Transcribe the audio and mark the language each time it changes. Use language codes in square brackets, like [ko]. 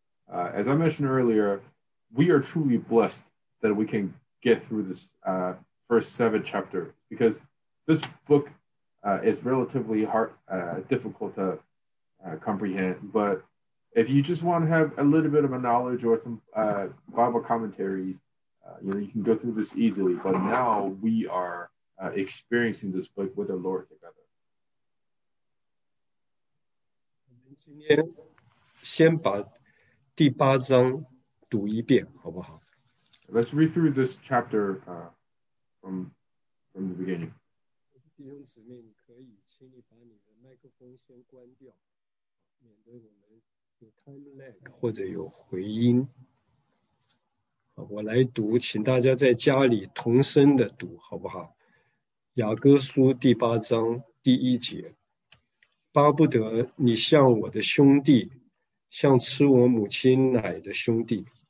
[en] As I mentioned earlier, we are truly blessed that we can get through this first seven chapters, because this book is relatively hard, difficult to comprehend. But if you just want to have a little bit of a knowledge or some Bible commentaries, you know, you can go through this easily. But now we are experiencing this book with the Lord together. [zh] 我们今天先把第八章读一遍，好不好？ [en] Let's read through this chapter from the beginning. [zh] 弟兄姊妹，你可以，请你把你的麦克风先关掉。免得我们有 time lag 或者有回音，好我来读，请大家在家里同声的读，好不好？雅各书第八章第一节，巴不得你像我的兄弟，像吃我母亲奶的兄弟。